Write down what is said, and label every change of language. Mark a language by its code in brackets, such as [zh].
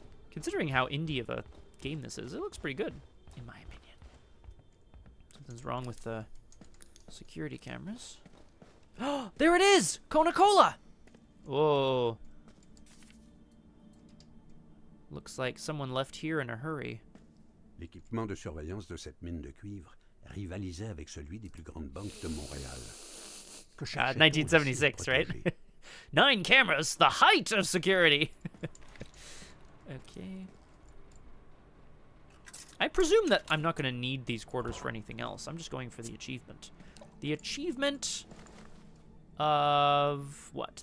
[en] Considering how indie of a game this is, it looks pretty good, in my opinion. Something's wrong with the security cameras. There it is! Coca-Cola! Whoa. Looks like someone left here in a hurry. [fr] L'équipement de surveillance de cette mine de cuivre rivalisait avec celui des plus grandes banques de Montréal. [en] 1976, right? 9 cameras, the height of security. Okay. I presume that I'm not going to need these quarters for anything else. I'm just going for the achievement. The achievement of what?